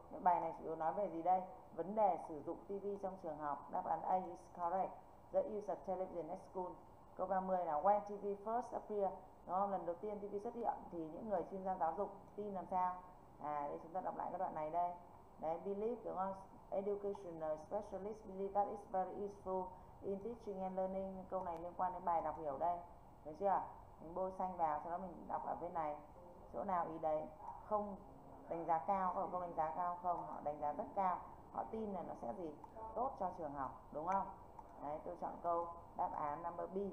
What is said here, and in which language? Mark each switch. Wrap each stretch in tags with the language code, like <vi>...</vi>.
<vi>Bài này chủ yếu nói về gì đây? Vấn đề sử dụng TV trong trường học. Đáp án</vi> <en>A is correct. The use of television at school.</en> <vi>Câu 30 là</vi> <en>when TV first appear,</en> <vi>đúng không? Lần đầu tiên TV xuất hiện thì những người chuyên gia giáo dục tin làm sao? Đây chúng ta đọc lại cái đoạn này đây. Đấy, believe, đúng không?</vi> <en>Educational specialist believe that it's very useful in teaching and learning.</en> <vi>Câu này liên quan đến bài đọc hiểu đây. Được chưa? Mình bôi xanh vào, sau đó mình đọc ở bên này. Chỗ nào ý đấy? Không đánh giá cao, có không đánh giá cao không? Họ đánh giá rất cao. Họ tin là nó sẽ gì? Tốt cho trường học, đúng không? Đấy, tôi chọn câu đáp án number B.</vi>